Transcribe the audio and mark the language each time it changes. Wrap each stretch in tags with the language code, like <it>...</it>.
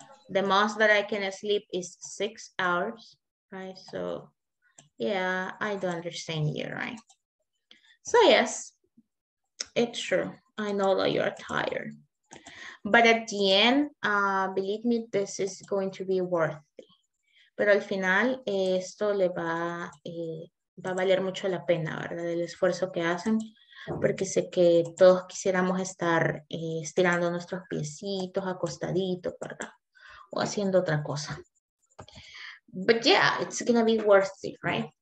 <en>The most that I can sleep is 6 hours, right? So, yeah, I don't understand you, right? So, yes, it's true. I know that you're tired. But at the end, believe me, this is going to be worth it.</en> <es>Pero al final, esto le va, va a valer mucho la pena, ¿verdad? El esfuerzo que hacen. Porque sé que todos quisiéramos estar estirando nuestros piecitos, acostaditos, ¿verdad? O haciendo otra cosa.</es> <en>But yeah, it's gonna be worth it, right?</en>